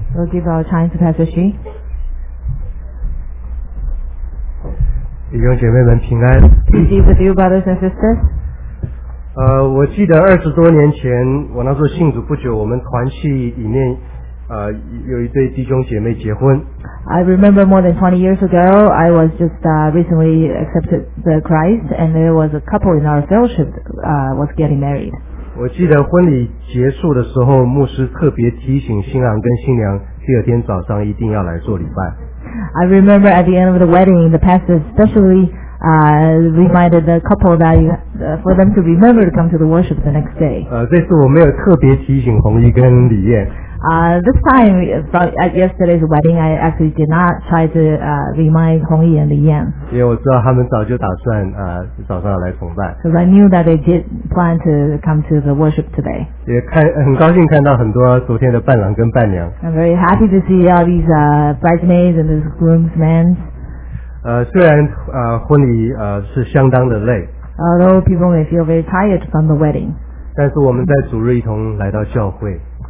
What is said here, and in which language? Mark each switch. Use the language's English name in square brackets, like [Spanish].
[English] We'll give our time to Pastor Xu。 [Chinese] 弟兄姐妹们平安。 [English] Peace be with you, brothers and sisters. [Chinese] 我记得二十多年前，我那时候信主不久，我们团契里面，有一对弟兄姐妹结婚。 [English] I remember more than 20 years ago, I was just recently accepted the Christ, and there was a couple in our fellowship was getting married. [Chinese] 我记得婚礼结束的时候，牧师特别提醒新郎跟新娘，第二天早上一定要来做礼拜。 [English] I remember at the end of the wedding, the pastor especially reminded the couple that for them to remember to come to the worship the next day. [Chinese] 这次我没有特别提醒红衣跟李燕。 [English] This time, yesterday's wedding, I actually did not try to remind Hong Yi and Li Yan. Because I knew that they did plan to come to the worship today. [Chinese] 很高兴看到很多昨天的伴郎跟伴娘。 [English] I'm very happy to see all these bridesmaids and these groomsmen. [Chinese] 虽然婚礼是相当的累。 [English] Although people may feel very tired from the wedding. [Chinese] 但是我们在主日一同来到教会。